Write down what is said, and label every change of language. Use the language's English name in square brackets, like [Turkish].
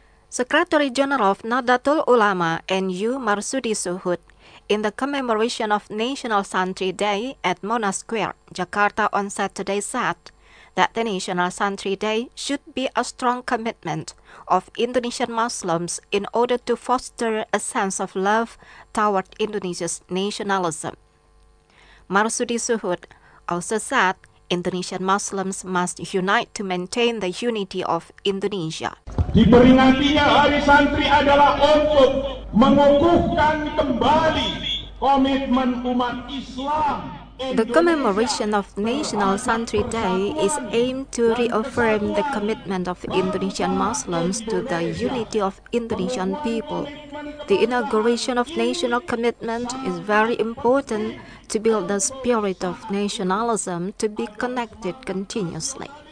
[English] Secretary General of Nahdlatul Ulama NU Marsudi Suhud, in the commemoration of National Santri Day at Monas Square, Jakarta on Saturday, said that the National Santri Day should be a strong commitment of Indonesian Muslims in order to foster a sense of love toward Indonesia's nationalism. Marsudi Suhud also said Indonesian Muslims must unite to maintain the unity of Indonesia. [Indonesian] Diperingatinya Hari Santri adalah untuk mengukuhkan kembali komitmen umat Islam. [English] The commemoration of National Santri Day is aimed to reaffirm the commitment of Indonesian Muslims to the unity of Indonesian people. The inauguration of national commitment is very important to build the spirit of nationalism to be connected continuously.